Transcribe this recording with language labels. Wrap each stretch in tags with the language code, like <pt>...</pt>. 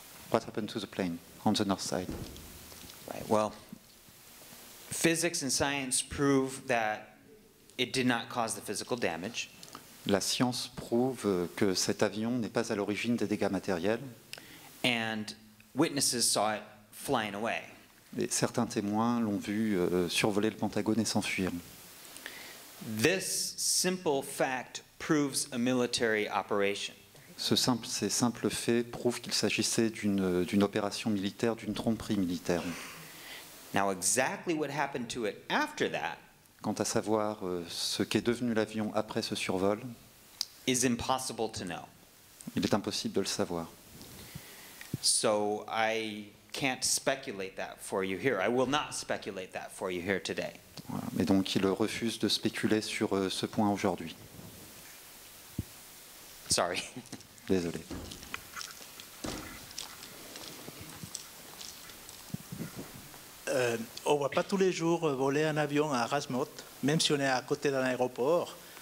<en>What happened to the plane on the north side? Right. Well, physics and science prove that it did not cause the physical damage.</en> <fr>La science prouve que cet avion n'est pas à l'origine des dégâts matériels.</fr> <en>And witnesses saw it flying away.</en> <fr>Et certains témoins l'ont vu survoler le Pentagone et s'enfuir.</fr> <en>This simple fact proves a military operation.</en> <fr>Ces simples faits prouvent qu'il s'agissait d'une opération militaire, d'une tromperie militaire.</fr> <en>Now exactly what happened to it after that?</en> <fr>Quant à savoir ce qu'est devenu l'avion après ce survol,</fr> <en>is impossible to know.</en> <fr>Il est impossible de le savoir.</fr> <en>So I can't speculate that for you here. I will not speculate that for you here today.</en> <fr>Mais donc il refuse de spéculer sur ce point aujourd'hui.</fr> <en>Sorry.</en> <fr>Désolé. On ne voit pas tous les jours voler un avion à Ras Mot, même si on est à côté d'un aéroport.</fr>